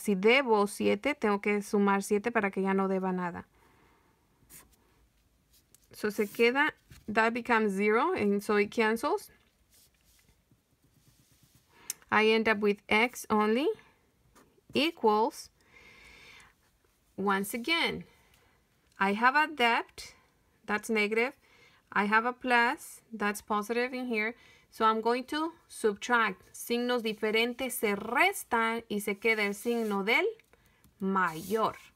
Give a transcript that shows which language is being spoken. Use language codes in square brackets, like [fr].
[es] Si debo 7, tengo que sumar 7 para que ya no deba nada. [en] So [es] se queda, [en] that becomes 0, and so it cancels. I end up with X only equals, once again, I have a debt, that's negative. I have a plus, that's positive in here. So I'm going to subtract. [es] Signos diferentes se restan y se queda el signo del mayor.